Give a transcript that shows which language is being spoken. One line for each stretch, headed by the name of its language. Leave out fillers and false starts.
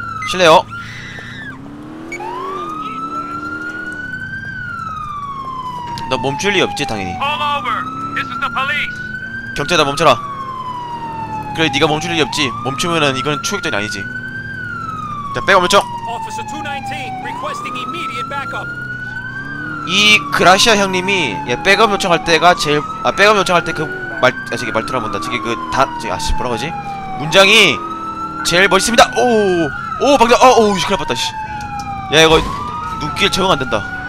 Korean: 실례요. 너 멈출 리 없지 당연히.
English: Pull over. This is the police.
Korean: 경찰아 멈춰라. 그래 네가 멈출 리 없지. 멈추면은 이건 추격전이 아니지. 자 백업 멈춰.
English: Officer 219 requesting immediate backup.
Korean: 이 그라시아 형님이 예 백업 요청할 때가 제일 아 백업 요청할 때 그 말 아 저기 말투라 본다 저기 그 다 저기 아씨 뭐라고 하지 문장이 제일 멋있습니다. 오오 방금 어오 큰일 났다 씨. 야 이거 눈길 적응 안 된다.